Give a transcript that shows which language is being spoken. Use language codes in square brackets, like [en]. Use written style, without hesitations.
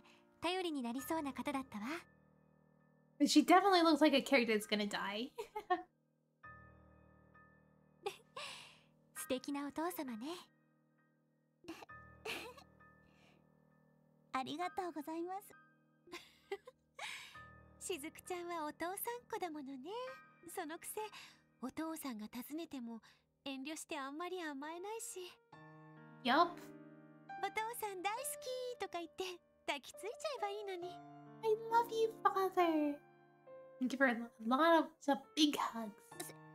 [ja] 厳しいけど思いやりがあって頼りになりそうな方だったわ. [en] She definitely looks like a character that's gonna die. [ja] 素敵なお父様ね. ありがとうございます. しずくちゃんはお父さん子だものね。そのくせお父さんが訪ねても遠慮してあんまり甘えないし。 [en] Yup. [ja] お父さん大好きとか言って抱きついちゃえばいいのに。 [en] I love you, father. And give her a lot of big hugs.